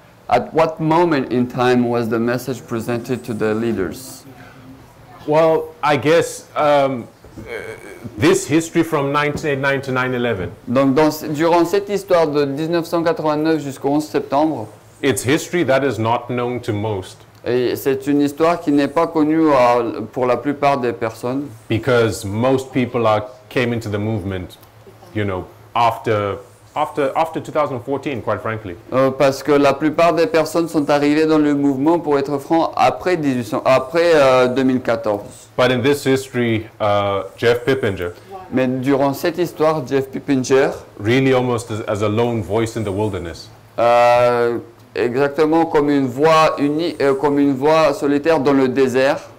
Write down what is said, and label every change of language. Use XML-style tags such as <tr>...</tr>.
<en>At what moment in time was the message presented to the leaders? Well, I guess this history from 1989 to 9/11.</en> <fr>Donc durant cette histoire de 1989 jusqu'au 11 septembre.</fr> <en>It's history that is not known to most.</en> <fr>Et c'est une histoire qui n'est pas connue pour la plupart des personnes.</fr> <en>Because most people came into the movement, you know, after After 2014, quite frankly.</en> <fr>Parce que la plupart des personnes sont arrivées dans le mouvement, pour être franc, après 2014.</fr> <en>But in this history, Jeff Pippinger.</en> <fr>Mais durant cette histoire, Jeff Pippinger.</fr> <en>Really, almost as a lone voice in the wilderness.</en> <fr>Exactement comme une voix unie, comme une voix solitaire dans le désert.</fr>